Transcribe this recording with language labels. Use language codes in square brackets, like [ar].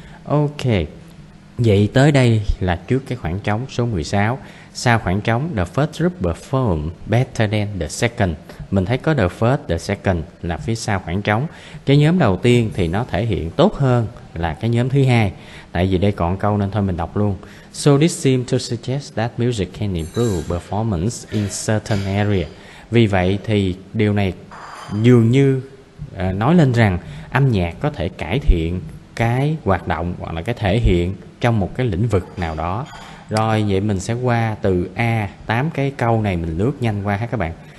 [vi] Ok, vậy tới đây là trước cái khoảng trống số 16. Sau khoảng trống, [en] the first group perform better than the second. [vi] Mình thấy có [en] the first, the second [vi] là phía sau khoảng trống. Cái nhóm đầu tiên thì nó thể hiện tốt hơn là cái nhóm thứ hai. Tại vì đây còn câu nên thôi mình đọc luôn. [en] So this seems to suggest that music can improve performance in certain area. [vi] Vì vậy thì điều này dường như nói lên rằng âm nhạc có thể cải thiện cái hoạt động hoặc là cái thể hiện trong một cái lĩnh vực nào đó. Rồi vậy mình sẽ qua từ A, 8 cái câu này mình lướt nhanh qua ha các bạn.